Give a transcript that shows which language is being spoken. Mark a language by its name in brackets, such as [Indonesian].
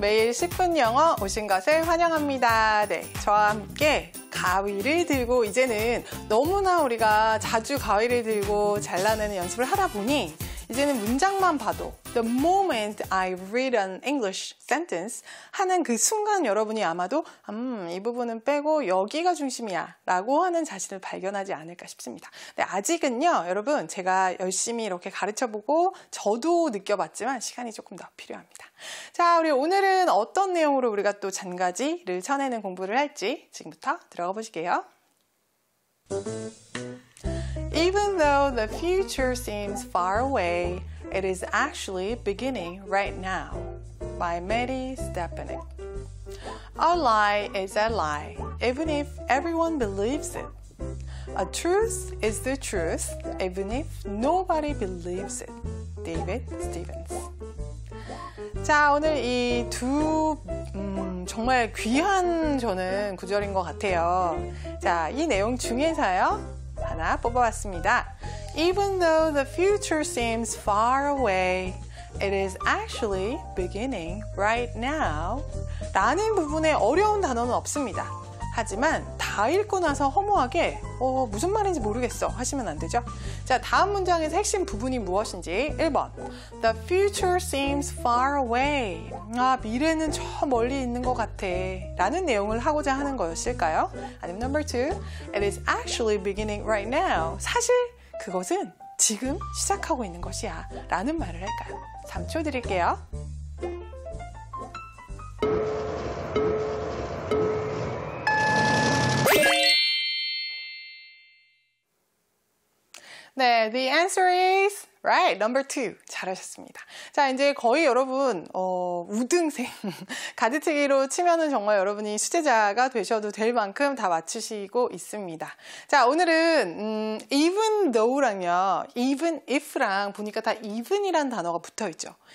[Korean] 매일 10분 영어 오신 것을 환영합니다. 네, 저와 함께 가위를 들고 이제는 너무나 우리가 자주 가위를 들고 잘라내는 연습을 하다 보니 이제는 문장만 봐도 [English] The moment I read an English sentence [Korean] 하는 그 순간 여러분이 아마도 이 부분은 빼고 여기가 중심이야 라고 하는 자신을 발견하지 않을까 싶습니다. 근데 아직은요, 여러분 제가 열심히 이렇게 가르쳐보고 저도 느껴봤지만 시간이 조금 더 필요합니다. 자, 우리 오늘은 어떤 내용으로 우리가 또 잔가지를 쳐내는 공부를 할지 지금부터 들어가 보실게요. [English] Even though the future seems far away, it is actually beginning right now. By Mary Stepanek. A lie is a lie, even if everyone believes it. A truth is the truth, even if nobody believes it. David Stevens. [Korean] 자, 오늘 이 두 정말 귀한 저는 구절인 것 같아요. 자, 이 내용 중에서요. 하나 뽑아봤습니다. [English] Even though the future seems far away, it is actually beginning right now. [Korean] 라는 부분에 어려운 단어는 없습니다. 하지만 다 읽고 나서 허무하게 무슨 말인지 모르겠어 하시면 안 되죠. 자, 다음 문장에서 핵심 부분이 무엇인지 1번 [English] The future seems far away. [Korean] 아, 미래는 저 멀리 있는 것 같아 라는 내용을 하고자 하는 거였을까요? 아니면 [English] number 2 It is actually beginning right now. [Korean] 사실 그것은 지금 시작하고 있는 것이야 라는 말을 할까요? 3초 드릴게요. 네, [English] the answer is right, number two. [Korean] 잘하셨습니다. 자, 이제 거의 여러분 우등생, 가지치기로 치면은 정말 여러분이 수제자가 되셔도 될 만큼 다 맞추시고 있습니다. 자, 오늘은 even though랑요, even if랑 보니까 다 even이라는 단어가 붙어있죠.